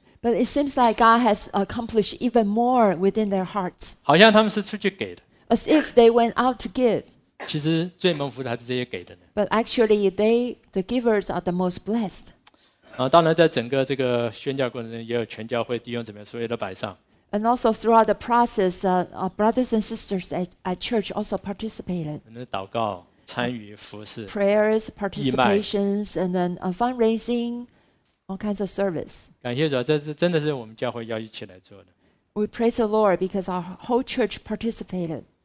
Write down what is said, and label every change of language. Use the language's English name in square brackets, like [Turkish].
[English] But it seems like God has accomplished even more within their hearts. [Chinese] 好像他们是出去给的。 [English] As if they went out to give. [Chinese] 其实最蒙福的还是这些给的呢。 [English] But actually, the givers are the most blessed. [Chinese] 当然，在整个这个宣教过程中，也有全教会弟兄姊妹所有的摆上。 [English] And also throughout the process, brothers and sisters at church also participated. [Chinese] 祷告、参与、服侍。 [English] Prayers, participations, and then fundraising. All kinds of service. [Chinese] 感谢主，这是真的是我们教会要一起来做的。 [English] We praise the Lord because our whole church participated.